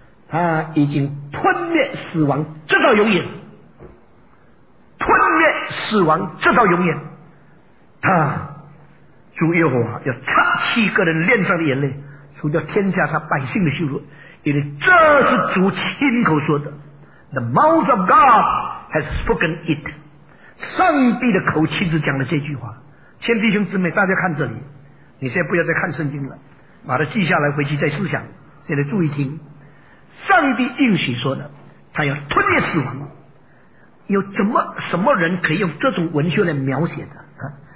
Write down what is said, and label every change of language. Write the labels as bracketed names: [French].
[Chinese] 他已经吞灭死亡，直到永远。吞灭死亡，直到永远。他主耶和华要擦去个人脸上的眼泪，除掉天下他百姓的羞辱，因为这是主亲口说的。 [English] The mouth of God has spoken it. [Chinese] 上帝的口亲自讲了这句话。亲弟兄姊妹，大家看这里，你现在不要再看圣经了，把它记下来，回去再思想。现在注意听，上帝应许说的，他要吞灭死亡。有怎么什么人可以用这种文学来描写的啊？